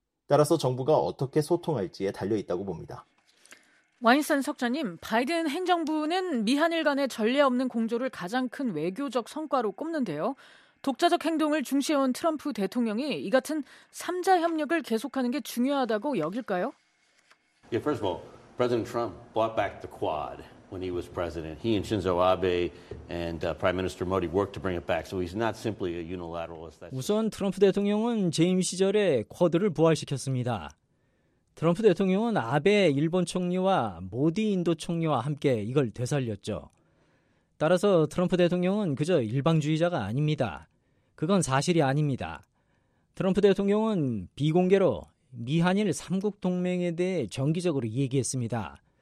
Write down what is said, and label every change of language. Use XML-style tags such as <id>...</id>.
<ko>따라서 정부가 어떻게 소통할지에 달려있다고 봅니다. 와인스타인 석자님, 바이든 행정부는 미한일 간의 전례 없는 공조를 가장 큰 외교적 성과로 꼽는데요. 독자적 행동을 중시해온 트럼프 대통령이 이 같은 3자 협력을 계속하는 게 중요하다고 여길까요?</ko> <en>Yeah, first of all, President Trump brought back the Quad. When he was president, he and Shinzo Abe and Prime Minister Modi worked to bring it back. So he's not simply a unilateralist.</en> <ko>우선 트럼프 대통령은 재임 시절에 쿼드를 부활시켰습니다. 트럼프 대통령은 아베 일본 총리와 모디 인도 총리와 함께 이걸 되살렸죠. 따라서 트럼프 대통령은 그저 일방주의자가 아닙니다. 그건 사실이 아닙니다. 트럼프 대통령은 비공개로 미한일 3국 동맹에 대해 정기적으로 얘기했습니다.</ko>